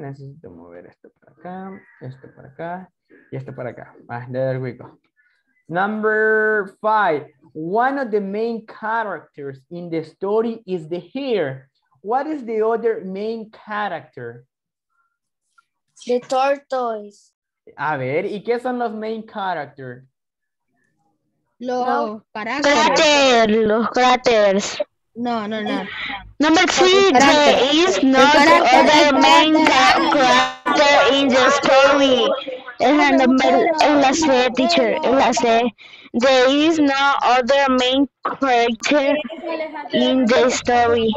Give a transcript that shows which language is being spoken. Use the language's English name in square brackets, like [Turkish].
[Spanish] Necesito mover esto para acá y esto para acá. [English] Ah, there we go. Number 5. One of the main characters in the story is the hare. What is the other main character? The tortoise. [Spanish] A ver, ¿y qué son los [English] main characters? [Spanish] Los cráteres. Los cráteres. No. [English] Number three, there is no other main character in the story. [Spanish] Es la number, en la C, teacher, en la C. [English] There is no other main character in the story.